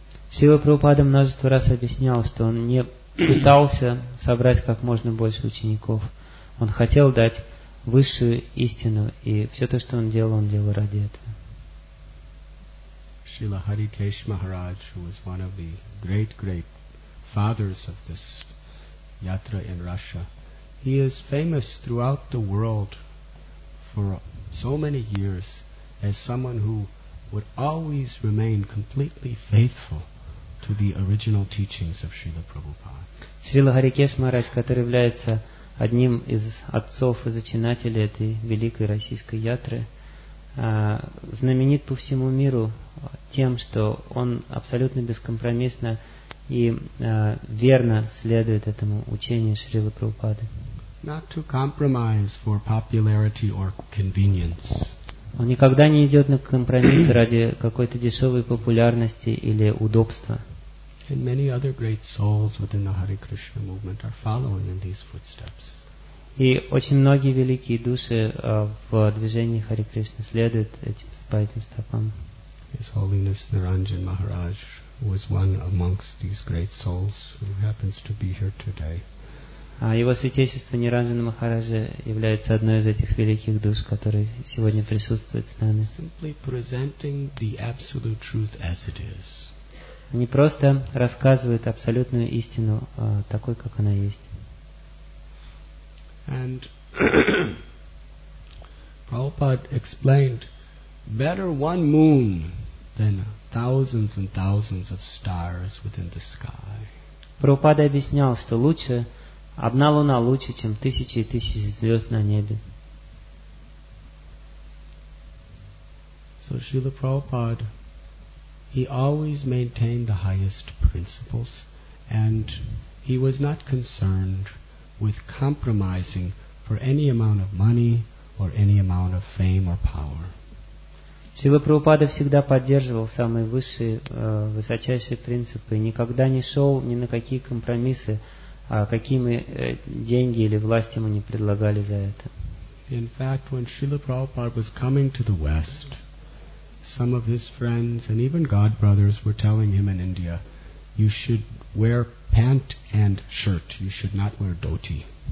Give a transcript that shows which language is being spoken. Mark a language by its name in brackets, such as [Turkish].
[Russian] Шрила Прабхупада множество раз объяснял, что он не пытался собрать как можно больше учеников. Он хотел дать высшую истину, и все то, что он делал ради этого. [English] Srila Harikesh Maharaj, who was one of the great fathers of this yatra in Russia. He is famous throughout the world for so many years as someone who would always remain completely faithful to the original teachings of Srila Prabhupada. [Russian] Srila Harikesh Maharaj, который является одним из отцов и зачинателей этой великой российской ятры, знаменит по всему миру тем, что он абсолютно бескомпромиссно и верно следует этому учению Шрилы Прабхупады. [English] Not to compromise for popularity or convenience. [Russian] Он никогда не идет на компромисс ради какой-то дешевой популярности или удобства. [English] And many other great souls within the Hare Krishna movement are following in these footsteps. [Russian] И очень многие великие души в движении Хари Кришны следуют этим, по этим стопам. [English] His Holiness Naranjan Maharaj was one amongst these great souls who happens to be here today. [Russian] Его святейшество Ниранджана Махараджа является одной из этих великих душ, которые сегодня присутствуют с нами. [English] Simply presenting the absolute truth as it is. [Russian] Они просто рассказывают абсолютную истину такой, как она есть. [English] And Prabhupada explained, better one moon than thousands and thousands of stars within the sky. [Russian] Prabhupada объяснял, что лучше одна луна лучше, чем тысячи и тысячи звезд на небе. [English] So Srila Prabhupada, he always maintained the highest principles, and he was not concerned with compromising for any amount of money or any amount of fame or power. [Russian] Srila Prabhupada всегда поддерживал самые высшие, высочайшие принципы и никогда не шел ни на какие компромиссы, какие мы деньги или власть ему не предлагали за это. [English] In fact, when Srila Prabhupada was coming to the West, some of his friends and even god brothers were telling him in India, you should wear pant and shirt, you should not wear dhoti.